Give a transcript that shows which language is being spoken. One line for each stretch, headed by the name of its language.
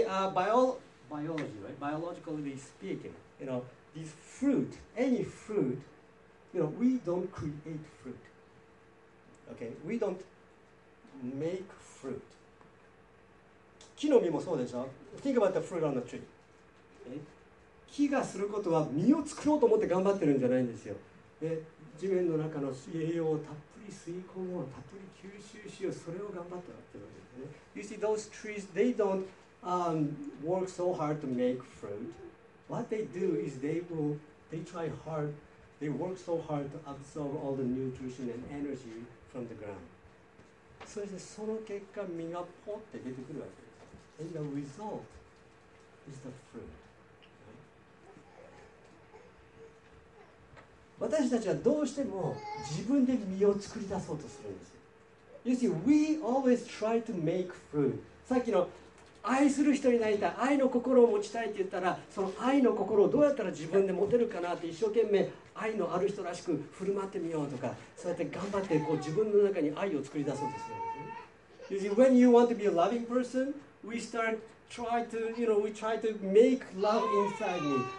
English: You see,、biology, right? Biologically speaking, you know, this fruit, any fruit, you know, we don't create fruit. Okay, we don't make fruit.
Japanese: 木の実もそうでしょ。
English: Think about the fruit on the tree.
Japanese: Okay? 木がすることは実を作ろうと思って頑張ってるんじゃないんですよ。で、地面の中の栄養をたっぷり吸い込もう、たっぷり吸収しよう、それを頑張ったってわけですね。
English: You see, those trees, they don't、work so hard to make fruit. What they do is they work so hard to absorb all the nutrition and energy from the ground.
Japanese: そしてその結果、実がポッて出てくるわけです。
English: And the result is the fruit.
Japanese: 私たちはどうしても自分で実を作り出そうとするんですよ。
English: You see, we always try to make fruit.
Japanese: さっきの愛する人になりたい、愛の心を持ちたいって言ったら、その愛の心をどうやったら自分で持てるかなって一生懸命愛のある人らしく振る舞ってみようとか、そうやって頑張ってこう自分の中に愛を作り出そうとするんです
English: よ。You see, when you want to be a loving person, we start try to make love inside me.